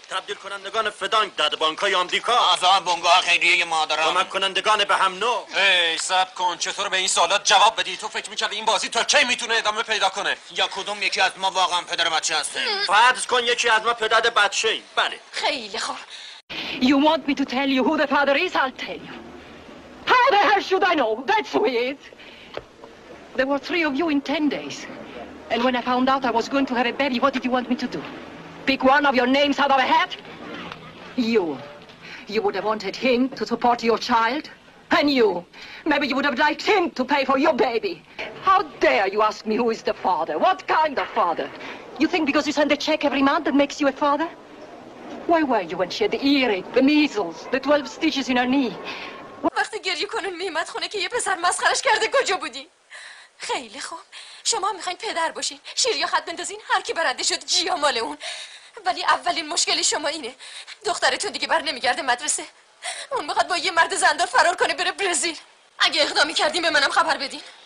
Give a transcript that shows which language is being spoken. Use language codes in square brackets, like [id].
[fa] تبدیل کنندگان فدانگ در بانکای آمریکا، اعضا بنگاه خیریه مادران، کمک کنندگان به هم نو. ای صبر کن، چطور به این سوالات جواب بدی؟ تو فکر میکردی این بازی تا کی میتونه ادامه پیدا کنه؟ یا کدوم یکی از ما واقعا پدر بچه هسته؟ فرض کن یکی از ما پدر بچه ایم. بله خیلی خوب. [en] You want me to tell you who the father is? I'll tell you. How the hell should I know? That's who he is. There were three of you in 10 days. And when I found out I was going to have a baby, what did you want me to do? Pick one of your names out of a hat? You. You would have wanted him to support your child. And you. Maybe you would have liked him to pay for your baby. How dare you ask me who is the father? What kind of father? You think because you send a check every month that makes you a father? Why were you when she had the earache, the measles, the 12 stitches in her knee? [fa] وقتی گریه کنون میمد خونه که یه پسر مسخرش کرده کجا بودی؟ خیلی خوب، شما میخواین پدر باشین، شیر یا خط بندازین، هر کی برنده شد جیا مال اون. ولی اولین مشکلی شما اینه، دخترتون دیگه بر نمیگرده مدرسه. اون میخواد با یه مرد زندار فرار کنه بره برزیل. اگه اقدامی کردین به منم خبر بدین.